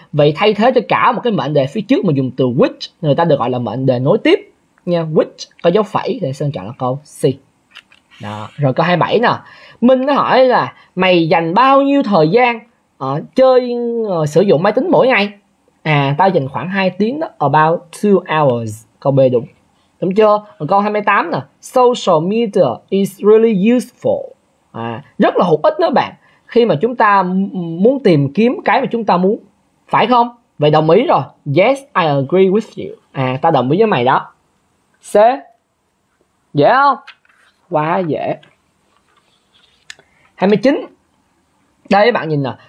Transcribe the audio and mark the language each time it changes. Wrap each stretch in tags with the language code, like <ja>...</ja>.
<vi>Vậy thay thế cho cả một cái mệnh đề phía trước mà dùng từ which, người ta được gọi là mệnh đề nối tiếp nha, which có dấu phẩy thì Sơn chọn là câu C. Đó, rồi câu 27 nè. Minh nó hỏi là mày dành bao nhiêu thời gian ở chơi sử dụng máy tính mỗi ngày? À, tao dành khoảng 2 tiếng đó,</vi> <en>about 2 hours.</en> <vi>Câu B đúng. Đúng chưa? Câu 28 nè.</vi> <en>Social media is really useful.</en> <vi>À, rất là hữu ích đó bạn. Khi mà chúng ta muốn tìm kiếm cái mà chúng ta muốn. Phải không? Vậy đồng ý rồi.</vi> <en>Yes, I agree with you.</en> <vi>À, ta đồng ý với mày đó. C. Dễ không? Quá dễ. 29. Đây bạn nhìn nè.</vi>